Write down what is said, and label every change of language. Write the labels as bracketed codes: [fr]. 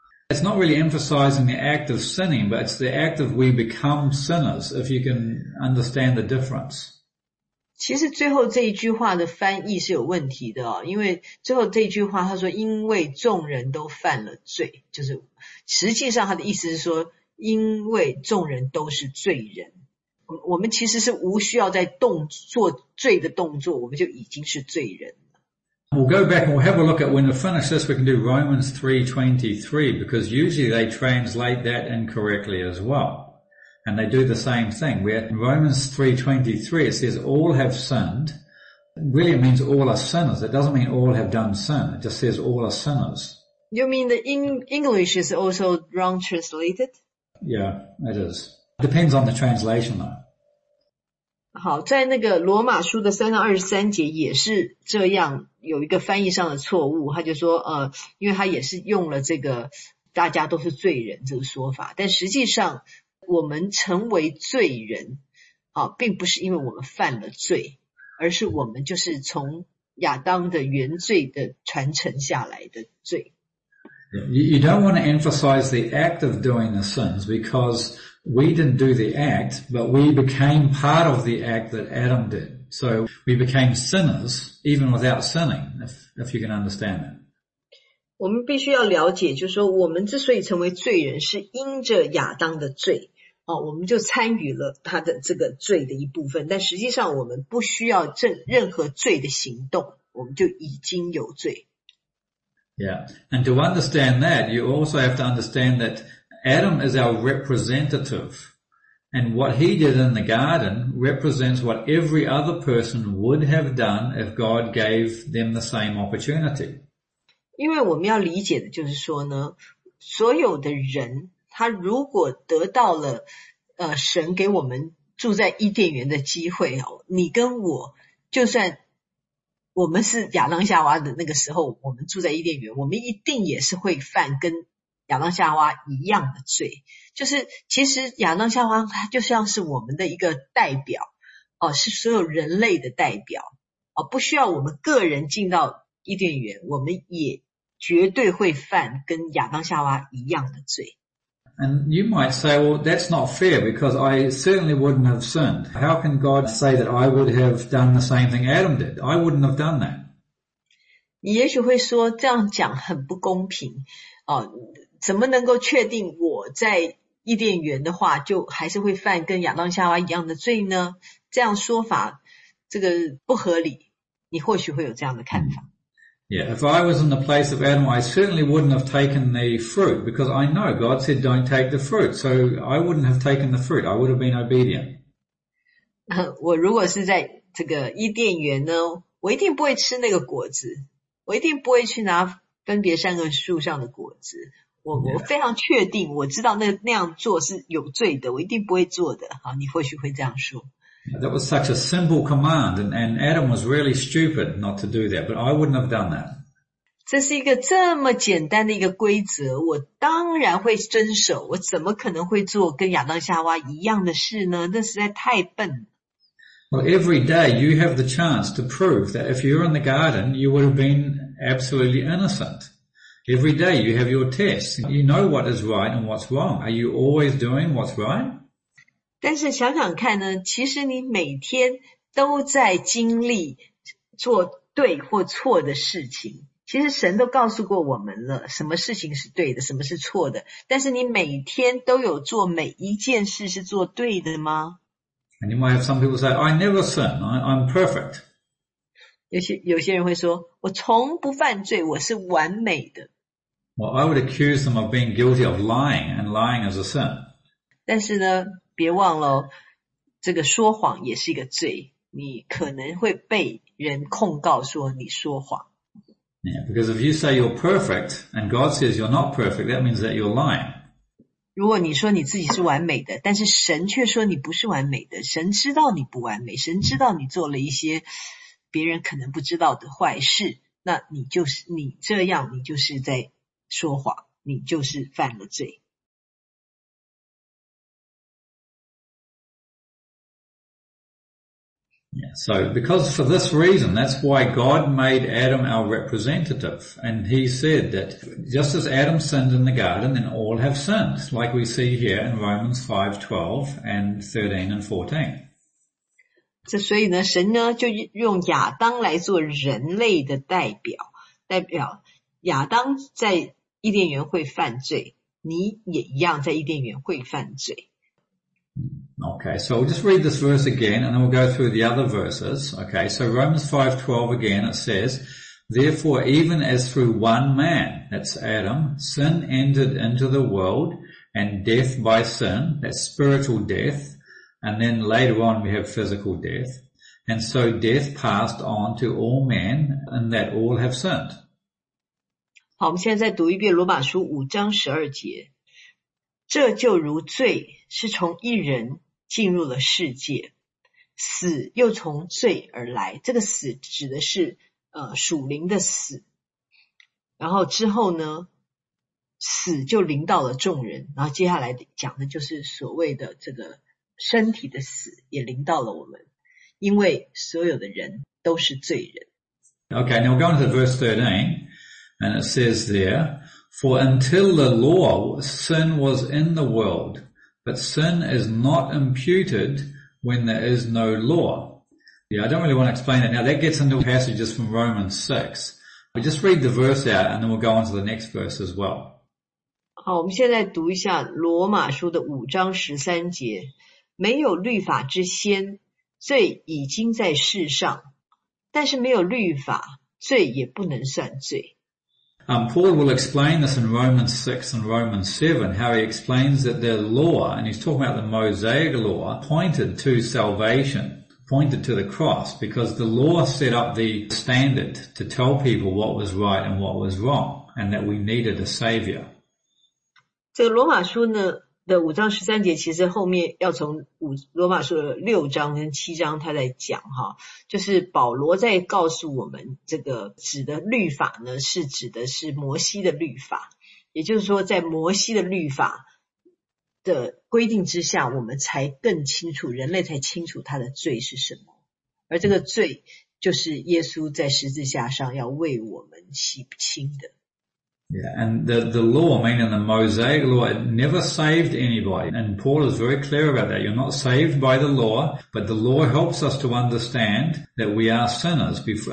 [en] It's not really emphasizing the act of sinning, but it's the act of we become sinners, if you can understand the difference. [zh] 其实最后这一句话的翻译是有问题的，因为最后这一句话他说因为众人都犯了罪，就是实际上他的意思是说因为众人都是罪人。我们其实是无需要在做罪的动作，我们就已经是罪人。 [en] We'll go back and we'll have a look at when we finish this, we can do Romans 3:23, because usually they translate that incorrectly as well. And they do the same thing. Where in Romans 3:23, it says all have sinned. Really, it means all are sinners. It doesn't mean all have done sin. It just says all are sinners. You mean the English is also wrong translated? Yeah, it is. It depends on the translation though. [zh] 好，在那个罗马书的3:23节也是这样有一个翻译上的错误，他就说因为他也是用了这个大家都是罪人这个说法，但实际上我们成为罪人并不是因为我们犯了罪，而是我们就是从亚当的原罪的传承下来的罪。 [en] You don't want to emphasize the act of doing the sins because we didn't do the act, but we became part of the act that Adam did. So we became sinners even without sinning, if you can understand that. [zh] 我们必须要了解，就是说我们之所以成为罪人是因着亚当的罪。我们就参与了他的这个罪的一部分，但实际上我们不需要任何罪的行动，我们就已经有罪。 [en] Yeah, and to understand that, you also have to understand that Adam is our representative, and what he did in the garden represents what every other person would have done if God gave them the same opportunity. [zh] 因为我们要理解的就是说呢，所有的人他如果得到了神给我们住在伊甸园的机会，你跟我就算我们是亚当夏娃的那个时候我们住在伊甸园，我们一定也是会犯跟亚当夏娃一样的罪。就是其实亚当夏娃他就像是我们的一个代表是所有人类的代表不需要我们个人进到伊甸园，我们也绝对会犯跟亚当夏娃一样的罪。 [en] And you might say, well, that's not fair because I certainly wouldn't have sinned. How can God say that I would have done the same thing Adam did? I wouldn't have done that. [zh] 你也许会说这样讲很不公平怎么能够确定我在伊甸园的话就还是会犯跟亚当夏娃一样的罪呢？这样说法这个不合理，你或许会有这样的看法。 [en] Yeah, if I was in the place of Adam, I certainly wouldn't have taken the fruit because I know God said don't take the fruit. So I wouldn't have taken the fruit. I would have been obedient. [zh] 我如果是在这个伊甸园呢，我一定不会吃那个果子。我一定不会去拿分别善恶树上的果子。我非常确定，我知道那样做是有罪的，我一定不会做的。好，你或许会这样说。 [en] That was such a simple command, and Adam was really stupid not to do that, but I wouldn't have done that. [zh] 这是一个这么简单的一个规则，我当然会遵守，我怎么可能会做跟亚当夏娃一样的事呢？那实在太笨了。 [en] Well, every day you have the chance to prove that if you're in the garden, you would have been absolutely innocent. Every day you have your tests. You know what is right and what's wrong. Are you always doing what's right? [zh] 但是想想看呢，其实你每天都在经历做对或错的事情。其实神都告诉过我们了，什么事情是对的，什么是错的。但是你每天都有做每一件事是做对的吗？ [en] And you might have some people say, I never sin, I'm perfect. [zh] 有些人会说，我从不犯罪，我是完美的。 [en] Well, I would accuse them of being guilty of lying, and lying is a sin. [zh] 但是呢别忘了，这个说谎也是一个罪。你可能会被人控告说你说谎。 [en] Yeah, because if you say you're perfect and God says you're not perfect, that means that you're lying. [zh] 如果你说你自己是完美的，但是神却说你不是完美的，神知道你不完美，神知道你做了一些别人可能不知道的坏事，那你就是你这样，你就是在说谎，你就是犯了罪。 [en] Yeah, so because for this reason, that's why God made Adam our representative. And he said that just as Adam sinned in the garden, then all have sinned, like we see here in Romans 5:12 and 13 and 14. [zh] 这所以呢，神呢，就用亚当来做人类的代表，代表亚当在伊甸园会犯罪，你也一样在伊甸园会犯罪。 [en] Okay, so we'll just read this verse again and then we'll go through the other verses. Okay, so Romans 5:12 again, it says, Therefore, even as through one man, that's Adam, sin entered into the world and death by sin, that's spiritual death, and then later on we have physical death, and so death passed on to all men and that all have sinned. [zh] 好，我们现在再读一遍罗马书五章十二节。这就如罪是从一人进入了世界，死又从罪而来。这个死指的是属灵的死，然后之后呢死就临到了众人，然后接下来讲的就是所谓的这个身体的死也临到了我们，因为所有的人都是罪人。 [en] Okay, now we're going to verse 13, and it says there, for until the law sin was in the world, but sin is not imputed when there is no law. Yeah, I don't really want to explain that now. That gets into passages from Romans 6. We just read the verse out and then we'll go on to the next verse as well. [zh] 好，我们现在读一下罗马书的五章十三节。没有律法之先，罪已经在世上，但是没有律法，罪也不能算罪。 [en] Paul will explain this in Romans 6 and Romans 7, how he explains that the law, and he's talking about the Mosaic law, pointed to salvation, pointed to the cross, because the law set up the standard to tell people what was right and what was wrong, and that we needed a savior. [zh] 这个罗马书呢的五章十三节，其实后面要从罗马书的六章跟七章他在讲，就是保罗在告诉我们这个指的律法呢是指的是摩西的律法，也就是说在摩西的律法的规定之下，我们才更清楚，人类才清楚他的罪是什么，而这个罪就是耶稣在十字架上要为我们洗清的。 [en] Yeah, and the law, meaning the Mosaic law, it never saved anybody. And Paul is very clear about that. You're not saved by the law, but the law helps us to understand that we are sinners.